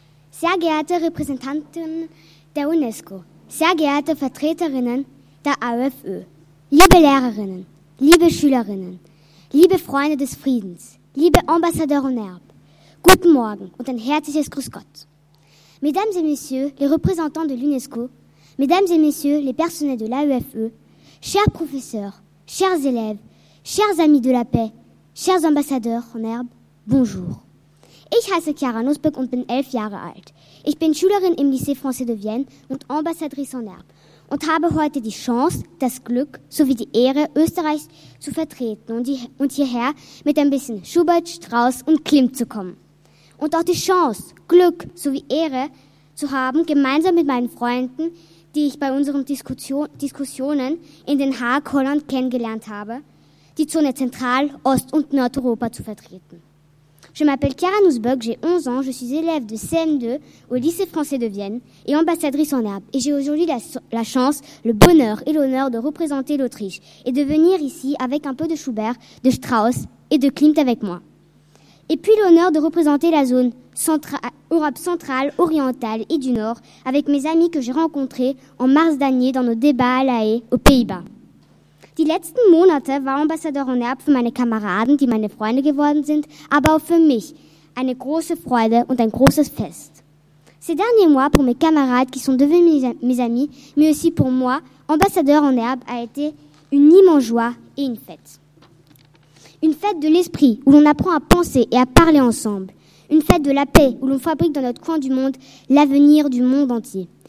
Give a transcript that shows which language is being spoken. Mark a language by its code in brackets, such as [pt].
[de] Sehr geehrte Repräsentantinnen der UNESCO, sehr geehrte Vertreterinnen der AfÖ, liebe Lehrerinnen, liebe Schülerinnen, liebe Freunde des Friedens, liebe Ambassadeur en herbe, guten Morgen und ein herzliches Grüß Gott. [fr] Mesdames et Messieurs les représentants de l'UNESCO, Mesdames et Messieurs les personnels de l'AfÖ, chers professeurs, chers élèves, chers amis de la paix, chers ambassadeurs en herbe, Bonjour. [de] Ich heiße Chiara Nussböck und bin 11 Jahre alt. Ich bin Schülerin im Lycée Français de Vienne und Ambassadrice en Herbe und habe heute die Chance, das Glück sowie die Ehre, Österreich zu vertreten und hierher mit ein bisschen Schubert, Strauss und Klimt zu kommen. Und auch die Chance, Glück sowie Ehre zu haben, gemeinsam mit meinen Freunden, die ich bei unseren Diskussionen in Den Haag, Holland kennengelernt habe, die Zone Zentral-, Ost- und Nordeuropa zu vertreten. [fr] Je m'appelle Chiara Nussböck, j'ai 11 ans, je suis élève de CM2 au lycée français de Vienne et ambassadrice en Herbe. Et j'ai aujourd'hui la chance, le bonheur et l'honneur de représenter l'Autriche et de venir ici avec un peu de Schubert, de Strauss et de Klimt avec moi. Et puis l'honneur de représenter la zone Europe centrale, orientale et du Nord avec mes amis que j'ai rencontrés en mars dernier dans nos débats à La Haye aux Pays-Bas. [de] Die letzten Monate war Ambassador en Herbe für meine Kameraden, die meine Freunde geworden sind, aber auch für mich eine große Freude und ein großes Fest. [fr] Ces derniers mois pour mes camarades qui sont devenus mes amis, mais aussi pour moi, Ambassador en Herbe a été une immense joie et une fête. Une fête de l'esprit où l'on apprend à penser et à parler ensemble. Une fête de la paix où l'on fabrique dans notre coin du monde l'avenir du monde entier.